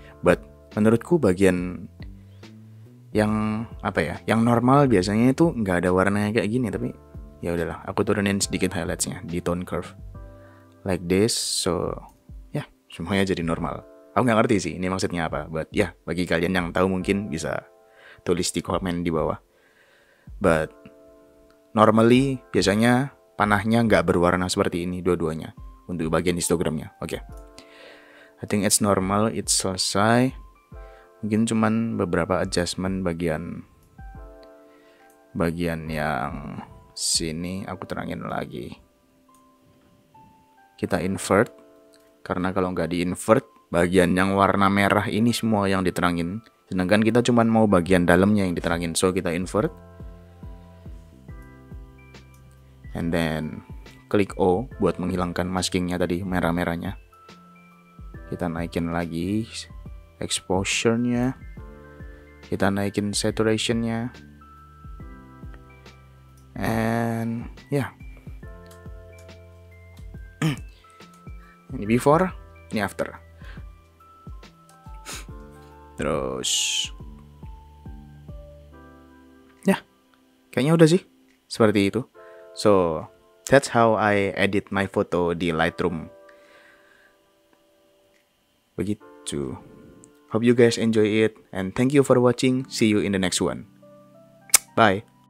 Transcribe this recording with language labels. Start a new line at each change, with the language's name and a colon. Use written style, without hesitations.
Indonesian: But menurutku bagian yang apa ya, yang normal biasanya itu nggak ada warnanya kayak gini, tapi ya udahlah, aku turunin sedikit highlightsnya di tone curve
English: like this,
Indonesian: so ya yeah, semuanya jadi normal. Aku nggak ngerti sih ini maksudnya apa, but ya yeah, bagi kalian yang tahu mungkin bisa tulis di komen di bawah.
English: But normally
Indonesian: biasanya panahnya nggak berwarna seperti ini dua-duanya untuk bagian histogramnya.
English: Oke, okay. I think it's normal, it's
Indonesian: selesai. Mungkin cuman beberapa adjustment bagian yang sini aku terangin lagi. Kita invert, karena kalau nggak di invert bagian yang warna merah ini semua yang diterangin, sedangkan kita cuman mau bagian dalamnya yang diterangin, so kita invert
English: and then
Indonesian: klik O buat menghilangkan maskingnya tadi merah-merahnya. Kita naikin lagi exposure-nya, kita naikin saturation-nya, and ya, yeah. Ini before, ini after, terus, ya, yeah. Kayaknya udah sih, seperti itu.
English: So, that's how I edit my photo di Lightroom.
Indonesian: Begitu.
English: Hope you guys enjoy it, and thank you for watching. See you in the next one. Bye.